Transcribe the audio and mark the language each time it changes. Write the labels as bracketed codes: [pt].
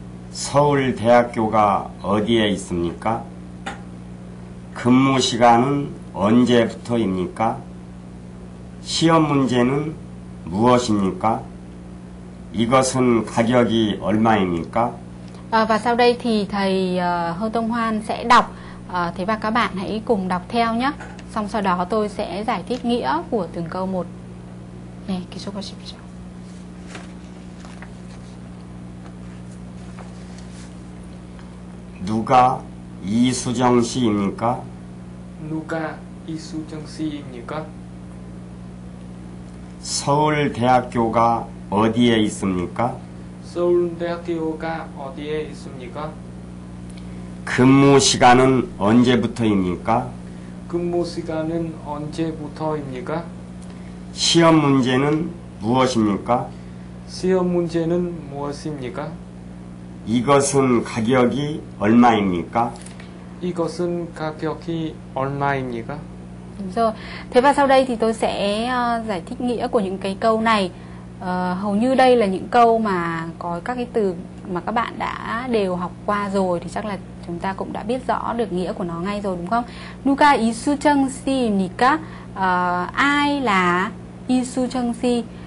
[ko] 서울대학교가 어디에 있습니까? 근무 시간은 언제부터입니까? 시험 문제는 무엇입니까? 이것은 가격이 얼마입니까? [vi] Và sau đây thì thầy Hơ Tông Hoan sẽ đọc, thế và các bạn hãy cùng đọc theo nhé. Xong sau đó tôi sẽ giải thích nghĩa của từng câu một. Nè, ký số có xịp. [ko] 누가 이수정 씨입니까? 누가 이수정 씨입니까? 서울대학교가 어디에 있습니까? 서울대학교가 어디에 있습니까? 근무 시간은 언제부터입니까? 근무 시간은 언제부터입니까? 시험 문제는 무엇입니까? 시험 문제는 무엇입니까? 이것은 가격이 얼마입니까? 이것은 가격이 얼마입니까? [vi] Rồi. Thế và sau đây thì tôi sẽ giải thích nghĩa của những cái câu này. Hầu như đây là những câu mà có các cái từ mà các bạn đã đều học qua rồi, thì chắc là chúng ta cũng đã biết rõ được nghĩa của nó ngay rồi, đúng không? [ko] 누가 이수정 씨입니까? [vi] Ai là Y Su Chung Si.